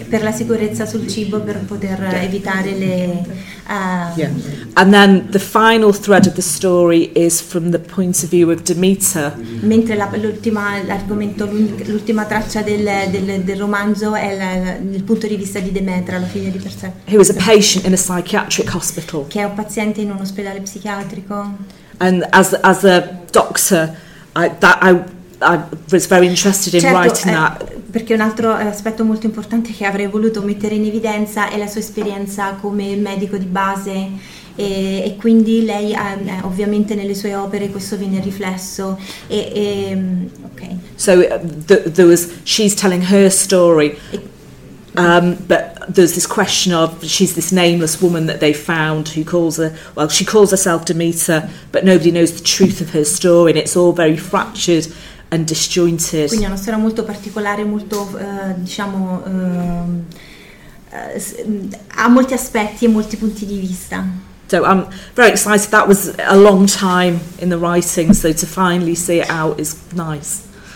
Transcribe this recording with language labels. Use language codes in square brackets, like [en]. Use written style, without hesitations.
[it] Per la sicurezza sul cibo, per poter evitare le. [en] And then the final thread of the story is from the point of view of Demeter. [it] Mentre l'ultima traccia del romanzo è il punto di vista di Demeter, la figlia di Persephone. [en] He was a patient in a psychiatric hospital. [it] Che è un paziente in un ospedale psichiatrico. [en] And as a doctor, I was very interested in [it] certo, [en] writing that. [it] Perché un altro aspetto molto importante che avrei voluto mettere in evidenza è la sua esperienza come medico di base, e quindi lei ha, ovviamente nelle sue opere questo viene riflesso. [en] Okay. So she's telling her story, but there's this question of she's this nameless woman that they found who calls her, well, she calls herself Demeter, but nobody knows the truth of her story, and it's all very fractured. and disjointed. [it] Quindi è una storia molto particolare, molto ha molti aspetti e molti punti di vista. [en] So I'm very excited. That was a long time in the writing, so to finally see it out is nice.